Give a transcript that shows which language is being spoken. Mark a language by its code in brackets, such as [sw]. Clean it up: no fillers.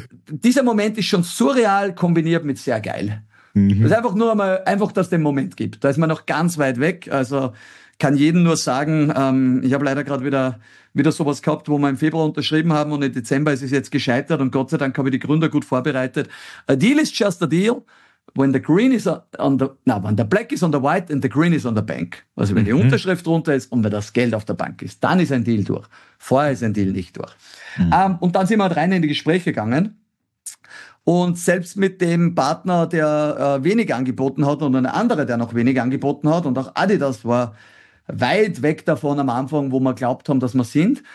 [de] Dieser Moment ist schon surreal kombiniert mit sehr geil. Mhm. Das ist einfach nur einmal, einfach, dass es den Moment gibt. Da ist man noch ganz weit weg. Also kann jedem nur sagen, ich habe leider gerade wieder sowas gehabt, wo wir im Februar unterschrieben haben und im Dezember ist es jetzt gescheitert und Gott sei Dank habe ich die Gründer gut vorbereitet. [en] A deal is just a deal. When the black is on the white and the green is on the bank. [de] Also wenn die Unterschrift drunter ist und wenn das Geld auf der Bank ist, dann ist ein Deal durch. Vorher ist ein Deal nicht durch. Mhm. Und dann sind wir halt rein in die Gespräche gegangen. Und selbst mit dem Partner, der wenig angeboten hat und einer andere, der noch wenig angeboten hat und auch Adidas war weit weg davon am Anfang, wo wir glaubt haben, dass wir sind.